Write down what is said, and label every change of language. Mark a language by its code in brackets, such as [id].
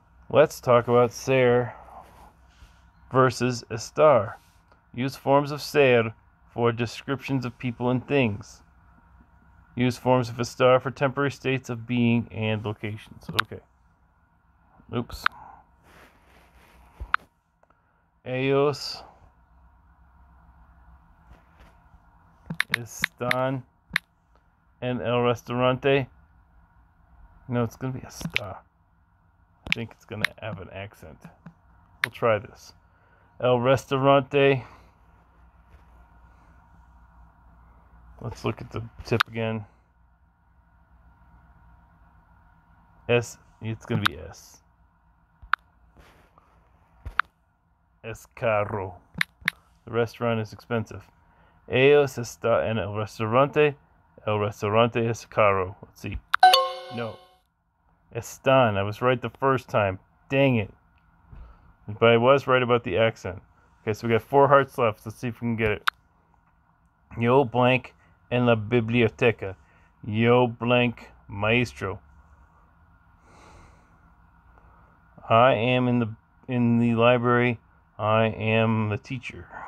[en] Let's talk about ser versus estar. Use forms of ser for descriptions of people and things. Use forms of estar for temporary states of being and locations. Okay. Oops. [es] Ellos están en el restaurante. [en] No, it's going to be a star. I think it's going to have an accent. We'll try this. [es] El restaurante. [en] Let's look at the tip again. S. It's going to be S. [es] Es caro. [en] The restaurant is expensive. [es] Ellos están en el restaurante. El restaurante es caro. [en] Let's see. No. [es] Están. [en] I was right the first time. Dang it. But I was right about the accent. Okay, so we got four hearts left. Let's see if we can get it. [es] Yo blank en la biblioteca. Yo blank maestro. [en] I am in the library. I am the teacher.